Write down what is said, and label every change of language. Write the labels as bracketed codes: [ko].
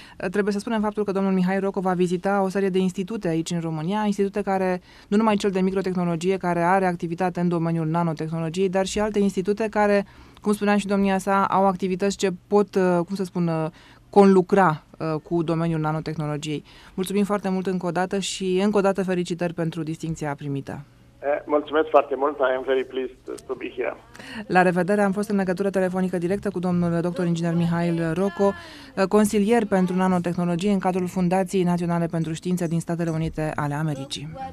[ro] Trebuie să spunem faptul că domnul Mihai Rocco va vizita o serie de institute aici în România, institute care, nu numai cel de microtehnologie, care are activitate în domeniul nanotehnologiei, dar și alte institute care, cum spunea și domnia sa, au activități ce pot, cum să spun, conlucra cu domeniul nanotehnologiei. Mulțumim foarte mult încă o dată și încă o dată felicitări pentru distincția primită. Mulțumesc foarte mult, [en] I am very pleased to be here. [ro] La revedere, am fost în legătură telefonică directă cu domnul dr. Inginer Mihail Rocco, consilier pentru nanotehnologie în cadrul Fundației Naționale pentru Știință din Statele Unite ale Americii.